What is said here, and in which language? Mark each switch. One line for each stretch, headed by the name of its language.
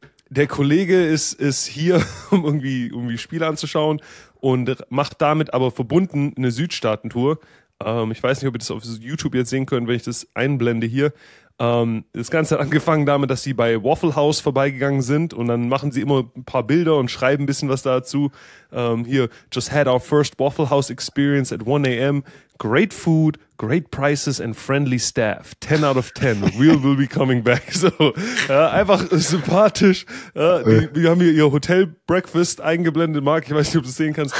German: der Kollege ist hier, um irgendwie Spiele anzuschauen und macht damit aber verbunden eine Südstaaten-Tour. Ich weiß nicht, ob ihr das auf YouTube jetzt sehen könnt, wenn ich das einblende hier. Das Ganze hat angefangen damit, dass sie bei Waffle House vorbeigegangen sind und dann machen sie immer ein paar Bilder und schreiben ein bisschen was dazu.
English: Hier, just had our first Waffle House experience at 1 a.m. Great food, great prices and friendly staff. 10 out of 10. We will be coming back.
German: So, einfach sympathisch. Wir haben hier ihr Hotel Breakfast eingeblendet. Marc, ich weiß nicht, ob du es sehen kannst.